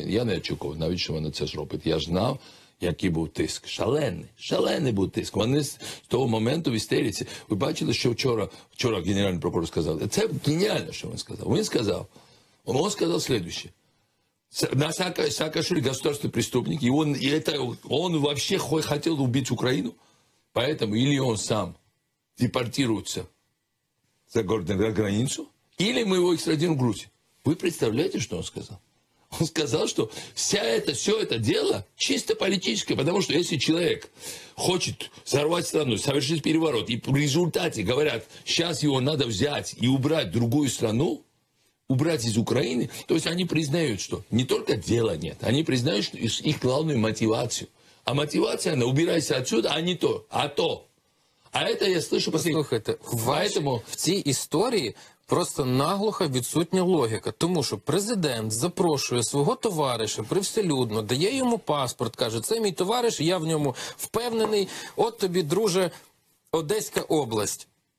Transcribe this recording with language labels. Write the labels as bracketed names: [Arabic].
[Ukrainian] Я не очікував, навіть що вона це зробить. Я знав, який був тиск. Шалений був тиск. Вони з того моменту в істериці. Ви бачили, що вчора генеральний прокурор сказав. Це геніально, що він сказав. Він сказав следующее. [Russian] На Саакашвили государственный преступник, и он вообще хотел убить Украину, поэтому или он сам депортируется за границу, или мы его экстрадируем в Грузию. Вы представляете, что он сказал? Он сказал, что все это дело чисто политическое, потому что если человек хочет взорвать страну, совершить переворот, и в результате говорят, сейчас его надо взять и убрать в другую страну, убрать из Украины, то есть они признают, что не только дела нет, они признают, что их главную мотивацию. А мотивация, она убирайся отсюда, а не то, а то. А это я слышу последний. Слушайте, поэтому... [Ukrainian] в цій історії просто наглухо відсутня логіка. Тому що президент запрошує свого товариша привселюдно, дає йому паспорт, каже, це мій товариш, я в ньому впевнений, от тобі, друже, Одеська область.